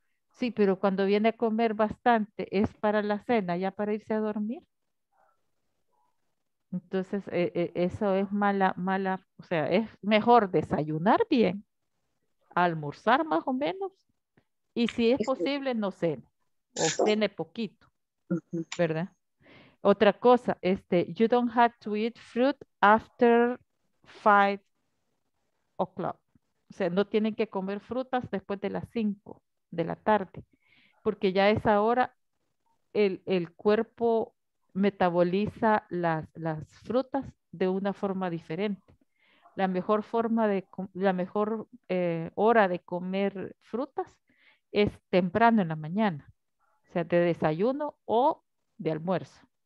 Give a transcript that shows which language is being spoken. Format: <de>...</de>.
<es>Sí, pero cuando viene a comer bastante, ¿es para la cena, ya para irse a dormir? Entonces, eso es mala, o sea, es mejor desayunar bien, almorzar más o menos, y si es posible, no cena, o cene poquito, ¿verdad? Otra cosa, este,</es> <en>you don't have to eat fruit after 5 o'clock.</en> <es>O sea, no tienen que comer frutas después de las 5 de la tarde, porque ya a esa hora el cuerpo metaboliza las frutas de una forma diferente. La mejor forma de, la mejor hora de comer frutas es temprano en la mañana, o sea, de desayuno o de almuerzo.</es>